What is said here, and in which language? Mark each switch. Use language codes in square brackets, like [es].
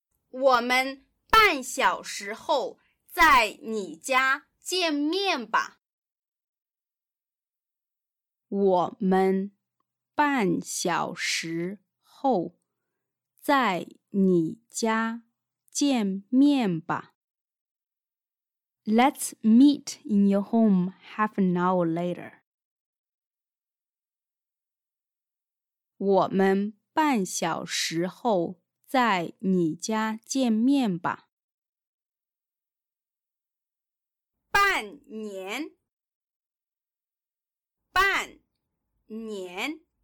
[zh] 我们半小时后在你家见面吧。我们半小时后在你家见面吧。 [en] Let's meet in your home half an hour later. [zh] 我们半小时后在你家见面吧。半年，半年